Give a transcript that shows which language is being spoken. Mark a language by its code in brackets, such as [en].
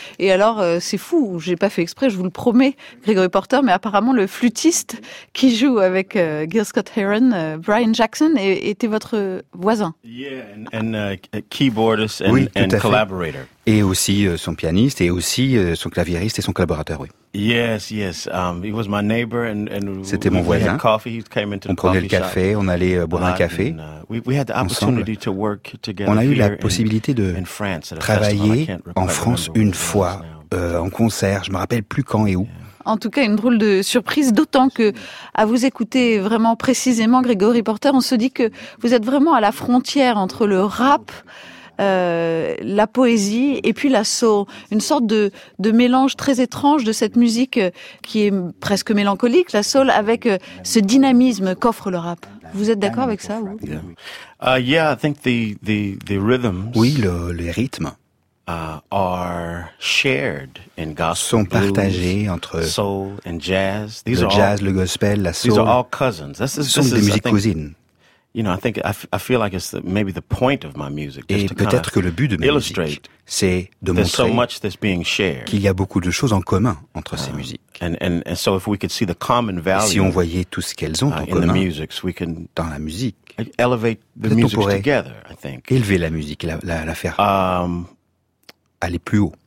[fr] Et alors, c'est fou, j'ai pas fait exprès, je vous le promets, Gregory Porter, mais apparemment le flûtiste qui joue avec Gil Scott Heron, Brian Jackson, était votre voisin. [en] Yeah, and keyboardist and, oui, and collaborator. [fr] Et aussi son pianiste, et aussi son claviériste et son collaborateur, oui. [en] Yes, yes. He was my neighbor, and [fr] c'était mon voisin. On prenait le café, on allait boire un café. On a eu la possibilité de travailler en France une fois, en concert, je ne me rappelle plus quand et où. En tout cas, une drôle de surprise, d'autant que, à vous écouter vraiment précisément, Gregory Porter, on se dit que vous êtes vraiment à la frontière entre le rap, la poésie et puis la soul, une sorte de mélange très étrange de cette musique qui est presque mélancolique, la soul, avec ce dynamisme qu'offre le rap. Vous êtes d'accord avec ça, ou? [en] Yeah, I think the rhythms. [fr] Oui, les rythmes [en] are shared in gospel, [fr] sont partagés entre [en] soul and jazz. [fr] These le jazz, le gospel, la soul. [en] These are all cousins. [fr] Des musiques cousines. [en] You know, I think I feel like it's maybe the point of my music. [fr] Et peut-être que le but de ma musique, c'est de montrer qu'il y a beaucoup de choses en commun entre ces musiques. [en] And so if we could see the common value, [fr] si on voyait tout ce qu'elles ont en commun [en] in the music, we can [fr] dans la musique, [en] elevate the music together, I think. [fr] Élever la musique, la faire aller plus haut.